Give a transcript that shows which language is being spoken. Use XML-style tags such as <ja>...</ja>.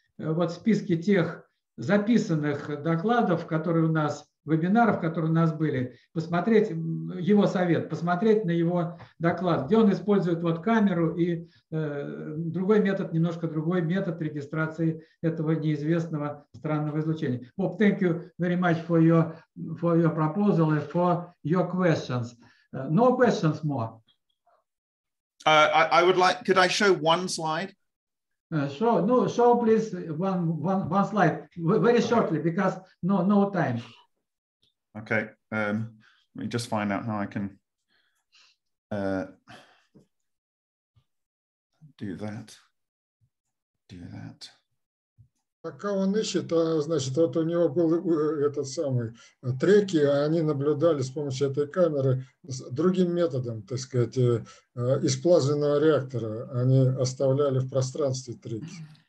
<ru>вот списки тех записанных докладов, которые у нас, вебинаров, которые у нас были, посмотреть его совет, посмотреть на его доклад, где он использует вот камеру и другой метод, немножко другой метод регистрации этого неизвестного странного излучения.</ru> <en>Bob, thank you very much for your proposal and for your questions. No questions more. I would like, could I show one slide? Show please one slide very shortly, because no time. Okay. Let me just find out how I can do that.</en> <ru>Пока он ищет, значит, вот у него был этот самый треки, они наблюдали с помощью этой камеры с другим методом, так сказать, из плазменного реактора. Они оставляли в пространстве треки.</ru>